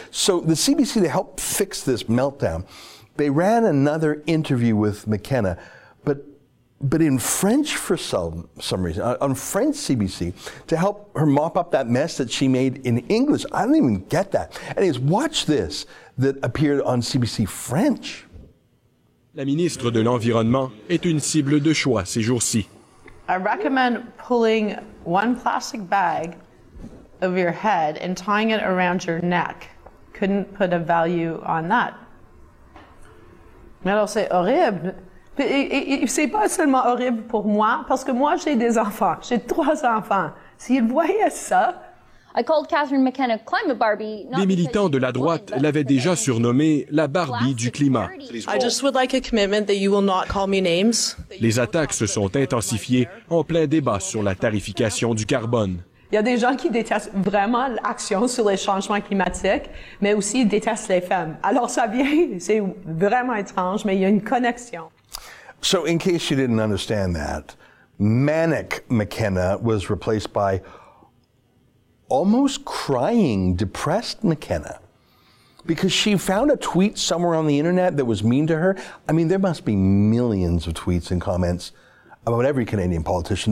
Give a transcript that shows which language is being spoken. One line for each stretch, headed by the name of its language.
English: So the CBC, to help fix this meltdown, they ran another interview with McKenna. But in French for some reason, on French CBC, to help her mop up that mess that she made in English. I don't even get that. Anyways, watch this that appeared on CBC French.
French: La ministre de l'Environnement est une cible de choix ces jours-ci.
English: I recommend pulling one plastic bag over your head and tying it around your neck. Couldn't put a value on that.
French: Mais alors c'est horrible. Et c'est pas seulement horrible pour moi, parce que moi j'ai des enfants, j'ai trois enfants. S'ils voyaient ça...
English: I called Catherine McKenna climate Barbie.
French: Les militants de la droite l'avaient déjà surnommée la Barbie du climat.
English: I just would like a commitment that you will not call me names.
French: Les attaques se sont intensifiées en plein débat sur la tarification du carbone. Il y a des gens qui détestent vraiment l'action sur les changements climatiques, mais aussi détestent les femmes. Alors ça vient, c'est vraiment étrange, mais il y a une connexion.
English: So in case you didn't understand that, manic McKenna was replaced by almost crying, depressed McKenna, because she found a tweet somewhere on the internet that was mean to her. I mean, there must be millions of tweets and comments about every Canadian politician.